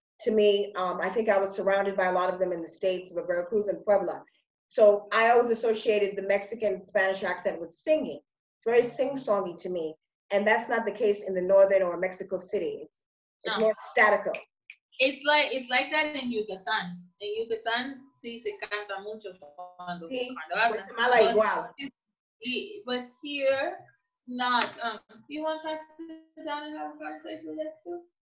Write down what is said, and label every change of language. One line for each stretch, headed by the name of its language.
English: To me, I think I was surrounded by a lot of them in the States, but Veracruz and Puebla. So I always associated the Mexican Spanish accent with singing. It's very sing-songy to me, and that's not the case in the Northern or Mexico City. It's more statical. It's like that in Yucatan. In
Spanish: Yucatan, sí, se canta mucho cuando habla.
English: But here, not. Do you want to sit down and have a conversation with us too?